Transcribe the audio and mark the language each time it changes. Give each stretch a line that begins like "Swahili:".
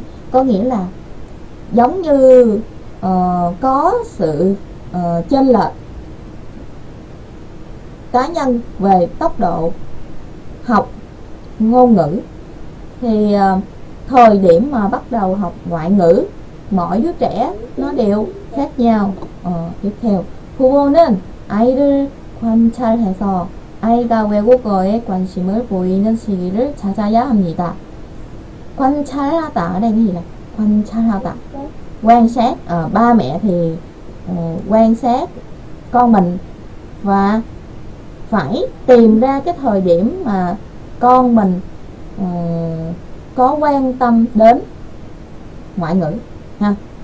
Vietnamese: Có nghĩa là giống như có sự chênh lệch cá nhân về tốc độ học ngôn ngữ thì thời điểm mà bắt đầu học ngoại ngữ mỗi đứa trẻ nó đều khác nhau. Tiếp theo,
Korean: 부모는 아이를 관찰해서 아이가 외국어에 관심을 보이는 시기를 찾아야 합니다.
Vietnamese: 관찰하다 đây cái gì này? 관찰하다. Quan sát. Ba mẹ thì quan sát con mình và phải tìm ra cái thời điểm mà con mình có quan tâm đến ngoại ngữ ha.